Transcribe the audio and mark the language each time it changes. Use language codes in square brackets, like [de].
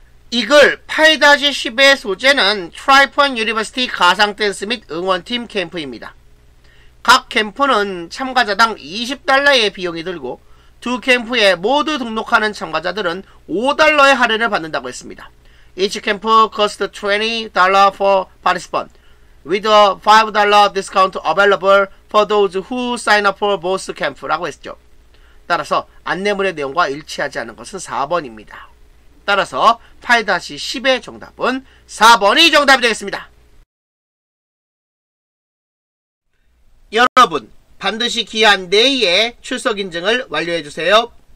[ko] 이 글 8-10의 소재는 Tri-Pon University 가상 댄스 및 응원팀 캠프입니다. 각 캠프는 참가자당 $20의 비용이 들고 두 캠프에 모두 등록하는 참가자들은 $5의 할인을 받는다고 했습니다. [en] Each camp costs $20 for participants, with a $5 discount available for those who sign up for both camps [ko] 라고 했죠. 따라서 안내문의 내용과 일치하지 않은 것은 4번입니다. 따라서 8-10의 정답은 4번이 정답이 되겠습니다. 여러분, 반드시 기한 내에 출석 인증을 완료해 주세요.